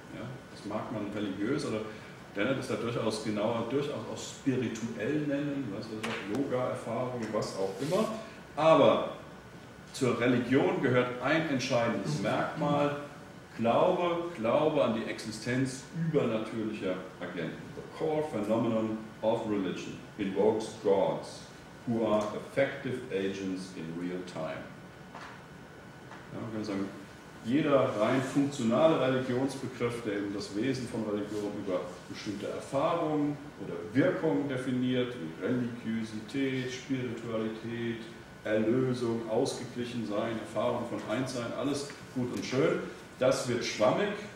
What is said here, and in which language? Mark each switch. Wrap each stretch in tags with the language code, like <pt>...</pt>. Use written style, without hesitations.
<de>Ja, das mag man religiös, aber Dennett ist da durchaus genauer, durchaus auch spirituell nennen, Yoga-Erfahrung, was auch immer. Aber zur Religion gehört ein entscheidendes Merkmal: Glaube an die Existenz übernatürlicher Agenten.</de> <en>The core phenomenon of religion invokes gods, who are effective agents in real time.</en> <de>Ja, man kann sagen, jeder rein funktionale Religionsbegriff, der eben das Wesen von Religion über bestimmte Erfahrungen oder Wirkungen definiert, wie Religiosität, Spiritualität, Erlösung, Ausgeglichensein, Erfahrung von Einssein, alles gut und schön, das wird schwammig.</de>